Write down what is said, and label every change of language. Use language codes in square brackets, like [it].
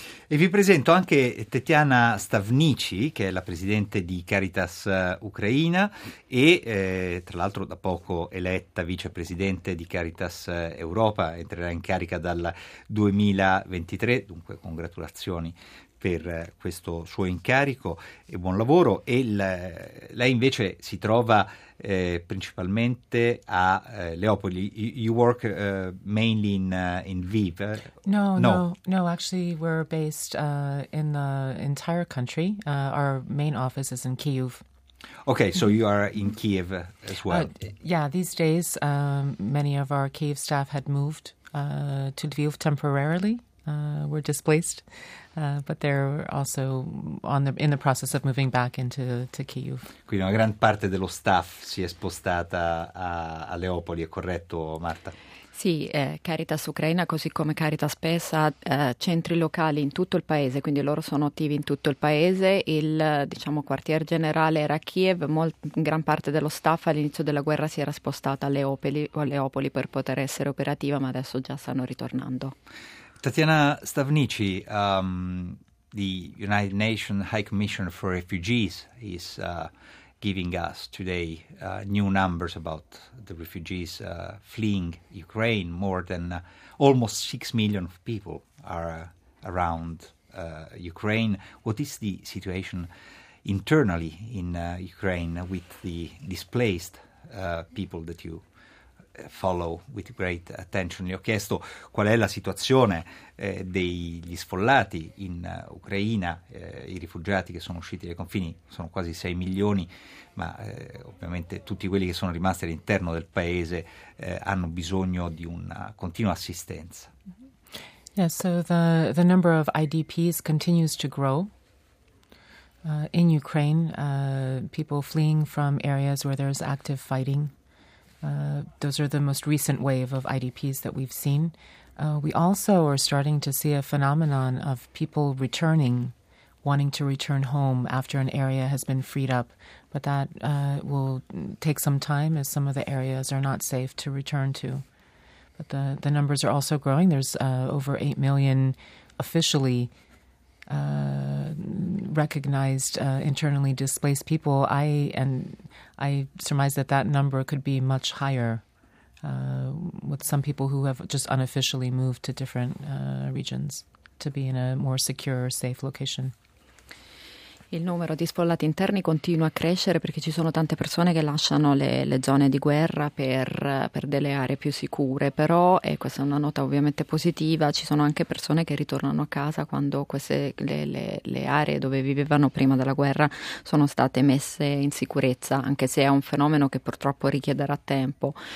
[it] E vi presento anche Tetiana Stavnici, che è la presidente di Caritas Ucraina e tra l'altro da poco eletta vicepresidente di Caritas Europa, entrerà in carica dal 2023, dunque congratulazioni per questo suo incarico e buon lavoro. E lei invece si trova principalmente a Leopoli. [en] You work mainly in Lviv. No, actually we're based in the entire country. Our main office is in Kyiv. Okay, so you are in Kyiv as well. Yeah, these days many of our Kyiv staff had moved to Lviv temporarily. Were displaced, but they're also in the process of moving back into Kyiv. [it] Quindi una gran parte dello staff si è spostata a Leopoli, è corretto, Marta? Sì, Caritas Ucraina, così come Caritas PES, ha centri locali in tutto il paese, quindi loro sono attivi in tutto il paese. Il diciamo quartier generale era a Kiev, gran parte dello staff all'inizio della guerra si era spostata a Leopoli per poter essere operativa, ma adesso già stanno ritornando. [en] Tatiana Stavnici, the United Nations High Commissioner for Refugees, is giving us today new numbers about the refugees fleeing Ukraine. More than almost 6 million people are around Ukraine. What is the situation internally in Ukraine with the displaced people that you follow with great attention. [it] Gli ho chiesto qual è la situazione degli sfollati in Ucraina, i rifugiati che sono usciti dai confini sono quasi 6 milioni, ma ovviamente tutti quelli che sono rimasti all'interno del paese hanno bisogno di una continua assistenza. [en] Yeah, so the number of IDPs continues to grow. In Ukraine, people fleeing from areas where there's active fighting. Those are the most recent wave of IDPs that we've seen. We also are starting to see a phenomenon of people returning, wanting to return home after an area has been freed up. But that will take some time, as some of the areas are not safe to return to. But the numbers are also growing. There's over 8 million officially recognized internally displaced people. I surmise that that number could be much higher with some people who have just unofficially moved to different regions to be in a more secure, safe location. [it] Il numero di sfollati interni continua a crescere perché ci sono tante persone che lasciano le zone di guerra per delle aree più sicure, però, e questa è una nota ovviamente positiva, ci sono anche persone che ritornano a casa quando queste le aree dove vivevano prima della guerra sono state messe in sicurezza, anche se è un fenomeno che purtroppo richiederà tempo.